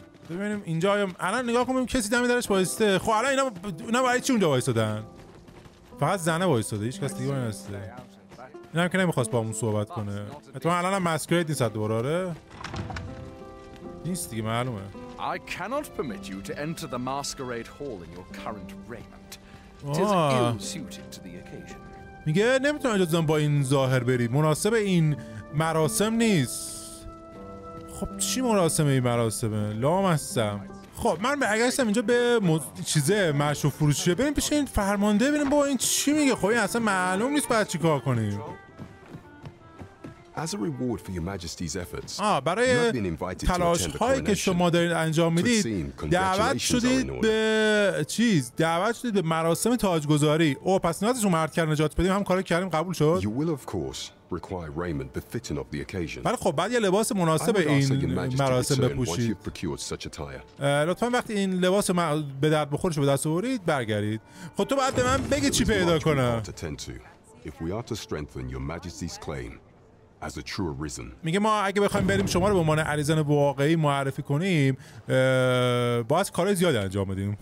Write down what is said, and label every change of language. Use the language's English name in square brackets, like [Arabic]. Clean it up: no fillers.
[Persian] ببینیم اینجا الان نگاه کنیم کسی دمی درش وایسته. خب الان اینا برای چی اونجا وایستادن؟ فقط زنه وایستاده، هیچ کس دیگه نیسته. اینا هم که نمیخواست با همون صحبت کنه. تو الان هم مسکرید نیست دوباره. آره نیست دیگه معلومه. [English] I cannot permit you to enter the masquerade hall in your current raiment. It is ill suited to the occasion. [Persian] میگه نمیتونم اجازه با این ظاهر بری، مناسب این مراسم نیست. خب چی مراسمه این مراسمه؟ لام هستم. خب من به اگرستم اینجا به چیزه مشروع فروشیه بریم پیش این فرمانده بریم با این چی میگه. خب این اصلا معلوم نیست باید چی کار کنیم. [English] As a reward for your majesty's efforts. [Persian] برای تلاش‌هایی که شما دارید انجام میدید دعوت شدید به چیز، دعوت شدید به مراسم تاجگذاری. او پس نیازشون مرد کردن نجات بدیم، هم کارو کردیم، قبول شد. [English] You will of course require raiment befitting of the occasion. [Persian] بله خب بعد یه لباس مناسب این مراسم بپوشید. لطفا وقتی این لباس به درد بخورش به دست آورید برگردید. خب تو بعد من بگی چی پیدا کنم. [English] If we are to strengthen your majesty's claim as a true arisen. [Persian] میگه ما اگه بخوایم بریم شما رو به عنوان عریزن واقعی معرفی کنیم، باید کار زیاد انجام بدیم.